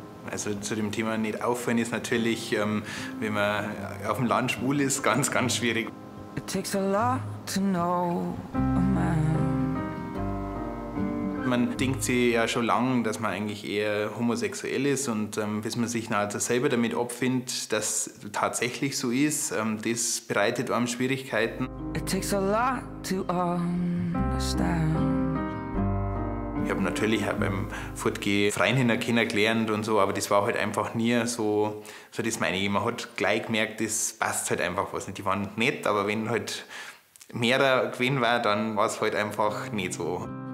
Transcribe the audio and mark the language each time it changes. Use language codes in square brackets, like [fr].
[de] Also zu dem Thema nicht auffallen ist natürlich, wenn man auf dem Land schwul ist, ganz, ganz schwierig. [en] It takes a lot to know a man. [de] Man denkt sich ja schon lange, dass man eigentlich eher homosexuell ist. Und bis man sich nachher selber damit abfindet, dass es tatsächlich so ist, das bereitet einem Schwierigkeiten. [en] It takes a lot to understand. [de] Ich habe natürlich auch beim Fortgehen Freundinnen kennengelernt und so, aber das war halt einfach nie so, so das meine ich. Man hat gleich gemerkt, das passt halt einfach was nicht. Die waren nett, aber wenn halt mehrere gewesen wäre, dann war es halt einfach nicht so.